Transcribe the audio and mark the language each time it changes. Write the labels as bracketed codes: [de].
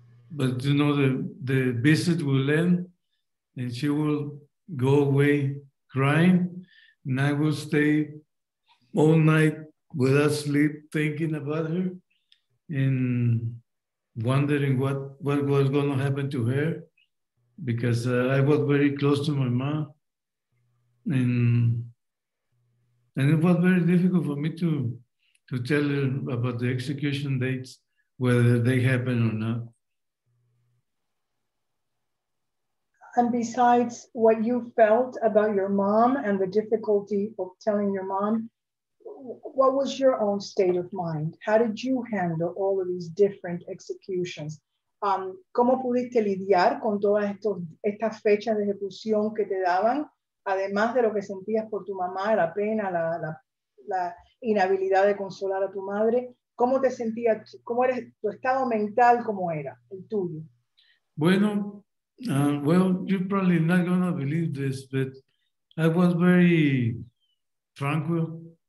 [en] But you know, the visit will end and she will go away crying, and I will stay all night without sleep thinking about her and wondering what was going to happen to her, because I was very close to my mom, and it was very difficult for me to tell her about the execution dates, whether they happen or not. And besides what you felt about your mom and the difficulty of telling your mom, what was your own state of mind? How did you handle all of these different executions? [es] ¿Cómo pudiste lidiar con todas estas fechas de ejecución que te daban? Además de lo que sentías por tu mamá, la pena, la inhabilidad de consolar a tu madre. ¿Cómo te sentías? ¿Cómo eres tu estado mental? ¿Cómo era el tuyo? [en] Bueno, well, you're probably not going to believe this, but I was very tranquil.